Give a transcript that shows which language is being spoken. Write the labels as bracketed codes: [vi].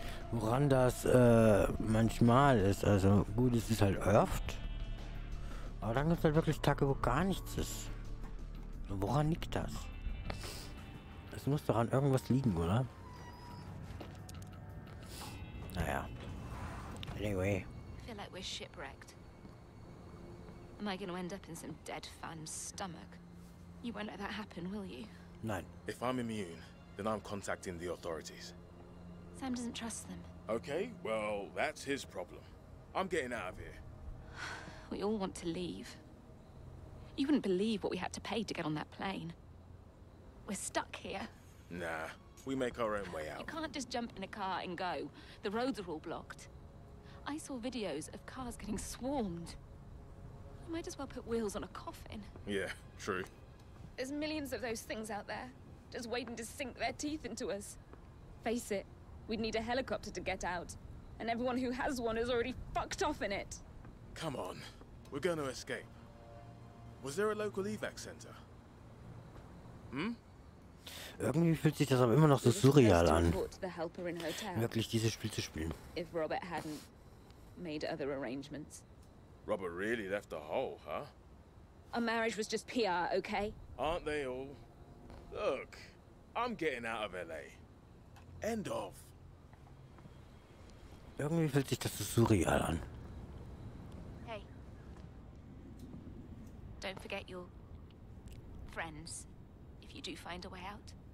[de] Woran das manchmal ist. Also gut, es ist halt oft. Aber dann gibt es halt wirklich Tage, wo gar nichts ist. Und woran liegt das? Es muss doch an irgendwas liegen, oder? Naja. Anyway. [en] I feel like we're shipwrecked. Am I gonna end up in some dead fan's stomach? You won't let that happen, will you? [de] Nein. [en] If I'm immune, then I'm contacting the authorities. Sam doesn't trust them. Okay, well, that's his problem. I'm getting out of here. We all want to leave. You wouldn't believe what we had to pay to get on that plane. We're stuck here. Nah, we make our own way out. You can't just jump in a car and go. The roads are all blocked. I saw videos of cars getting swarmed. You might as well put wheels on a coffin. Yeah, true. There's millions of those things out there, just waiting to sink their teeth into us. Face it, we'd need a helicopter to get out. And everyone who has one is already fucked off in it. Come on, we're going to escape. Was there a local evac center? Hm? [de] Irgendwie fühlt sich das aber immer noch so surreal an. Wirklich dieses Spiel zu spielen. [en] If Robert hadn't made other arrangements. Robert really left the hole, huh? Our marriage was just PR, okay? Aren't they all? Look, I'm getting out of LA. End of. [de] Irgendwie fühlt sich das so surreal an. [en] Don't forget your friends if you do find a way out.